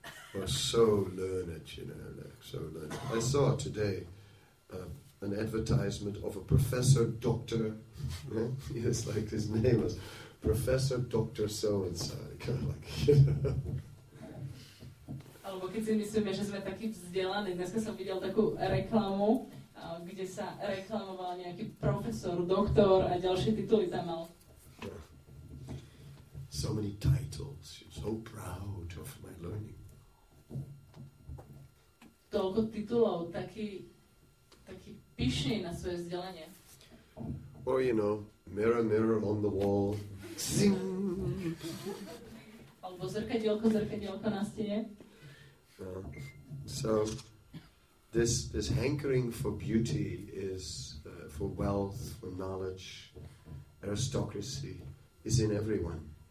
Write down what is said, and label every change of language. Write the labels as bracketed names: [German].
[English] Was so learned, you know, like so learned. I saw today an advertisement of a professor doctor. Yeah? Yes, like his name was Professor Doctor So and So. Kind of like, you know. [Slovak] Alebo keď si myslíme, že sme takí vzdelaní. Dneska som videl takú reklamu, kde sa reklamoval nejaký profesor, doktor a ďalšie tituly tam mal. [English] So many titles. You're so proud of my learning. [Slovak] Toľko titulov, taký pyšný na svoje vzdelanie. [English] Or, you know, mirror, mirror on the wall. Zing! [Slovak] Alebo zrkadielko, zrkadielko na stene. [English] So, this hankering for beauty is for wealth, for knowledge, aristocracy, is in everyone.